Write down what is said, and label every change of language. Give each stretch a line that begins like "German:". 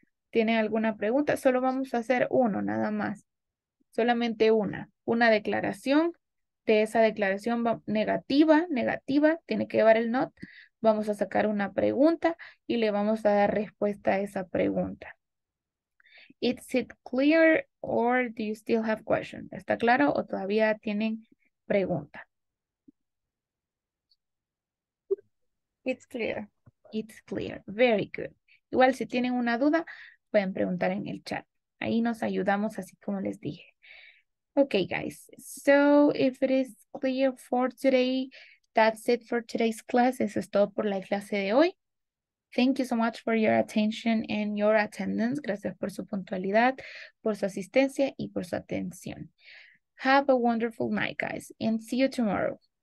Spanish: ¿Tienen alguna pregunta? Solo vamos a hacer uno, nada más. Solamente una declaración. De esa declaración negativa, tiene que llevar el not. Vamos a sacar una pregunta y le vamos a dar respuesta a esa pregunta.
English: Is it clear or do you still have questions?
Spanish: ¿Está claro o todavía tienen pregunta?
English: It's clear. It's clear. Very good.
Spanish: Igual, si tienen una duda, pueden preguntar en el chat. Ahí nos ayudamos, así como les dije.
English: Okay, guys. So, if it is clear for today, that's it for today's class.
Spanish: Eso es todo por la clase de hoy.
English: Thank you so much for your attention and your attendance.
Spanish: Gracias por su puntualidad, por su asistencia y por su atención.
English: Have a wonderful night, guys, and see you tomorrow.